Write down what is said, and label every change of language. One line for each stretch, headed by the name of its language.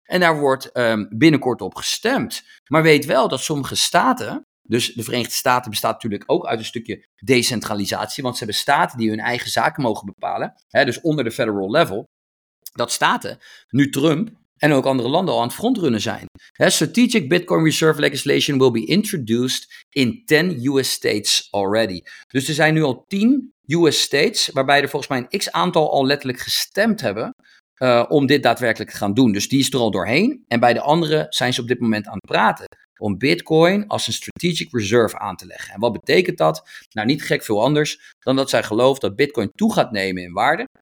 Dutch: En daar wordt binnenkort op gestemd. Maar weet wel dat sommige staten. Dus de Verenigde Staten bestaat natuurlijk ook uit een stukje decentralisatie. Want ze hebben staten die hun eigen zaken mogen bepalen. Hè, dus onder de federal level. Dat staten, nu Trump en ook andere landen al aan het frontrunnen zijn.
English: Hè, Strategic Bitcoin Reserve Legislation will be introduced in 10 US states already.
Dutch: Dus er zijn nu al 10 US states waarbij er volgens mij een x-aantal al letterlijk gestemd hebben. Om dit daadwerkelijk te gaan doen. Dus die is er al doorheen. En bij de andere zijn ze op dit moment aan het praten. Om Bitcoin als een strategic reserve aan te leggen. En wat betekent dat? Nou, niet gek veel anders dan dat zij gelooft dat Bitcoin toe gaat nemen in waarde.